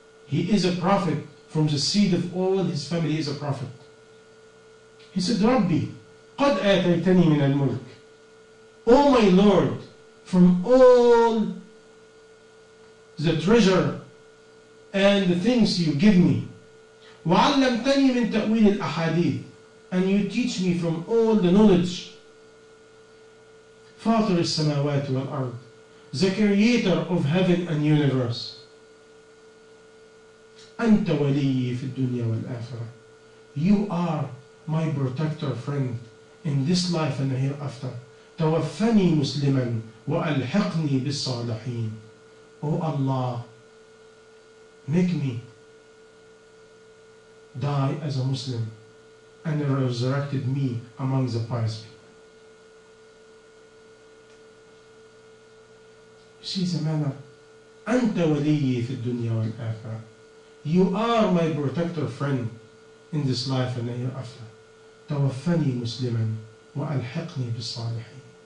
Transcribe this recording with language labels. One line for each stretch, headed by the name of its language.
English: He is a prophet from the seed of all his family. He is a prophet. He said, Rabbi,
Arabic: قَدْ آتَيْتَنِي مِنَ الْمُلْكِ.
English: O my Lord, from all the treasure and the things you give me.
Arabic: وعلمتني من تأويل الأحاديث.
English: And you teach me from all the knowledge.
Arabic: فاطر السماوات والأرض.
English: The creator of heaven and universe.
Arabic: أنت ولي في الدنيا والآخرة.
English: You are my protector friend in this life and hereafter.
Arabic: توفني مسلما وألحقني بالصالحين.
English: Oh Allah, make me die as a Muslim and resurrected me among the pious people. See the manner.
Arabic: أنت ولي في الدنيا والآخرة.
English: You are my protector friend in this life and hereafter.
Arabic: توفني مسلما وألحقني بالصالحين.